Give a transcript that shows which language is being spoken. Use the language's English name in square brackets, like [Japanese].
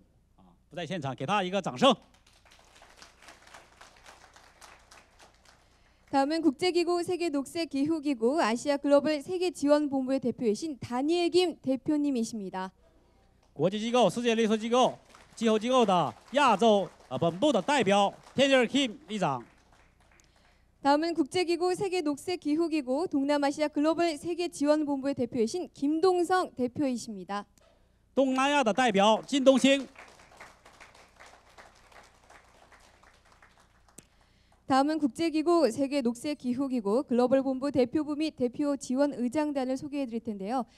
[Chinese] 现在他不在现场，现在制作这个相关的业务，不在现场，给他一个掌声。 [Korean] 다음은 국제기구 세계녹색기후기구 아시아 글로벌 세계지원본부의 대표이신 다니엘 김 대표님이십니다. 국제기구 세계녹색기후기구 기후기구의 [Chinese] 亚洲本部的代表田尼尔金理事长。 [Korean] 다음은 국제기구 세계녹색기후기구 동남아시아 글로벌 세계지원본부의 대표이신 김동성 대표이십니다. 동남아의 [Chinese] 代表金东兴。 [Korean] 다음은 국제기구 세계녹색기후기구 글로벌 본부 대표부 및 대표 지원 의장단을 소개해드릴 텐데요.